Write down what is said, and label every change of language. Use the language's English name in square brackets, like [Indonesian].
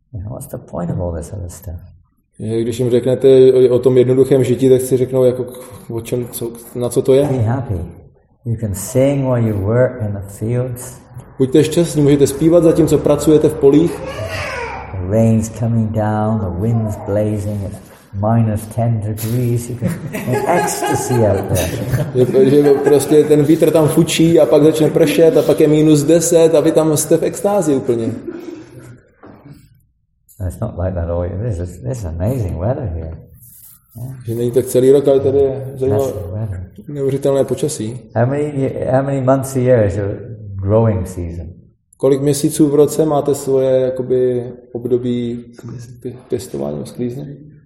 [English] What's the point of all this other stuff? [Czech] Když jim řeknete o tom jednoduchém žití, tak si řeknou jako o čem, na co to je? [English] Be happy. You can sing while you work in the fields. [Czech] Buďte šťastní, můžete zpívat zatímco pracujete v polích. [English] The rain's coming down, the wind's blazing. Minus 10 degrees, you can an ecstasy out there. [Czech] Že prostě ten vítr tam fučí a pak začne pršet a pak je minus 10 a vy tam jste v extázi úplně. [English] It's not like that all year. This is amazing weather here. [Czech] Že není tak celý rok, ale tady je zajímavé, neuvěřitelné počasí. [English] How many months a year is your growing season? [Czech] Kolik měsíců v roce máte svoje jakoby období pěstování, sklízně?